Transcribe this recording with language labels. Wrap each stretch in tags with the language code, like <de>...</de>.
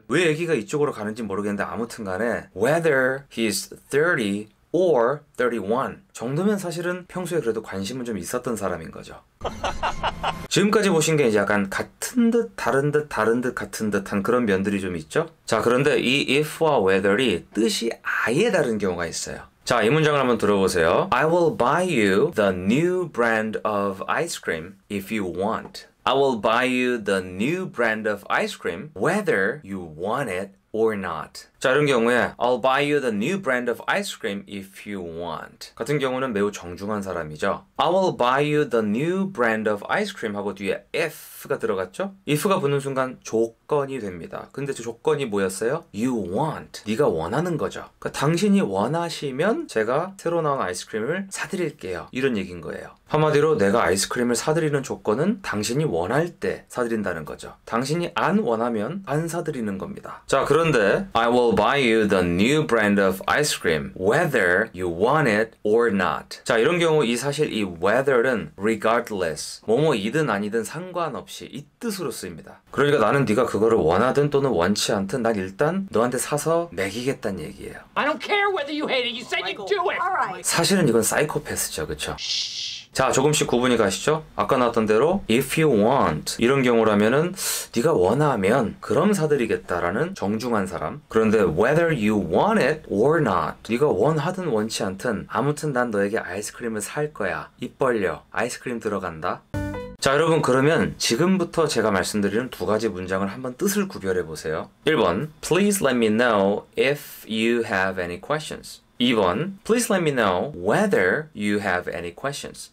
<ko>왜 얘기가 이쪽으로 가는지 모르겠는데, 아무튼 간에,</ko> <en>whether he's 30 or 31</en> <ko>정도면 사실은 평소에 그래도 관심은 좀 있었던 사람인 거죠. 지금까지 보신 게 이제 약간 같은 듯, 다른 듯, 다른 듯, 같은 듯한 그런 면들이 좀 있죠? 자, 그런데 이 if와 whether이 뜻이 아예 다른 경우가 있어요. 자, 이 문장을 한번 들어보세요.</ko> <en>I will buy you the new brand of ice cream if you want. I will buy you the new brand of ice cream whether you want it or not.</en> <ko>자, 이런 경우에</ko> <en>I'll buy you the new brand of ice cream if you want.</en> <ko>같은 경우는 매우 정중한 사람이죠.</ko> <en>I will buy you the new brand of ice cream</en> <ko>하고 뒤에 if가 들어갔죠? if가 붙는 순간 조건이 됩니다. 근데 그 조건이 뭐였어요?</ko> <en>You want.</en> <ko>네가 원하는 거죠. 그러니까 당신이 원하시면 제가 새로 나온 아이스크림을 사드릴게요. 이런 얘기인 거예요. 한마디로 내가 아이스크림을 사드리는 조건은 당신이 원할 때 사드린다는 거죠. 당신이 안 원하면 안 사드리는 겁니다. 자, 그런데</ko> <en>I will will buy you the new brand of ice cream, whether you want it or not.</en> <ko>자, 이런 경우 이 사실 이 whether은 regardless, 뭐뭐이든 아니든 상관없이 이 뜻으로 쓰입니다. 그러니까 나는 네가 그거를 원하든 또는 원치 않든 난 일단 너한테 사서 먹이겠다는 얘기예요.</ko> <en>I don't care whether you hate it, you said you'd do it! All right.</en> <ko>사실은 이건 사이코패스죠, 그쵸? 자, 조금씩 구분이 가시죠? 아까 나왔던 대로</ko> <en>if you want</en> <ko>이런 경우라면은 네가 원하면 그럼 사드리겠다라는 정중한 사람. 그런데</ko> <en>whether you want it or not,</en> <ko>네가 원하든 원치 않든 아무튼 난 너에게 아이스크림을 살 거야. 입 벌려. 아이스크림 들어간다. 자, 여러분 그러면 지금부터 제가 말씀드리는 두 가지 문장을 한번 뜻을 구별해 보세요.</ko> <en>1번 Please let me know if you have any questions. 2번, please let me know whether you have any questions.</en>